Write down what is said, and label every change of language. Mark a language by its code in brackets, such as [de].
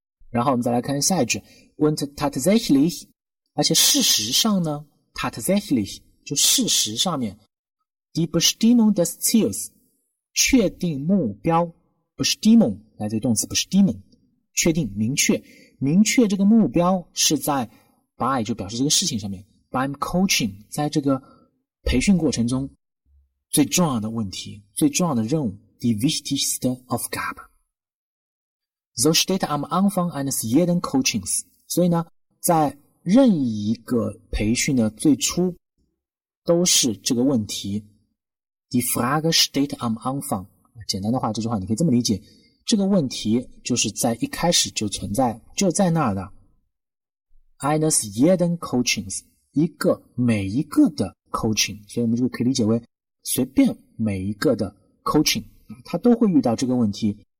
[zh] 然后我们再来看下一句， [de] und tatsächlich， [zh] 而且事实上呢， tatsächlich 就事实上面， [de] die Bestimmung des Ziels， [zh] 确定目标， Bestimmung 来自于动词 Bestimmung， 确定明确，明确这个目标是在 by 就表示这个事情上面， [de] beim coaching [zh] 在这个培训过程中最重要的问题，最重要的任务 , [de] the wichtigste Aufgabe. So steht am Anfang eines jeden Coachings. [zh] 所以呢，在任意一个培训的最初，都是这个问题。 [de] Die Frage steht am Anfang。 [zh] 简单的话，这句话你可以这么理解，这个问题就是在一开始就存在，就在那儿的。 [de] Eines jeden Coachings， [zh] 一个每一个的 coaching， 所以我们就可以理解为随便每一个的 coaching， 他都会遇到这个问题。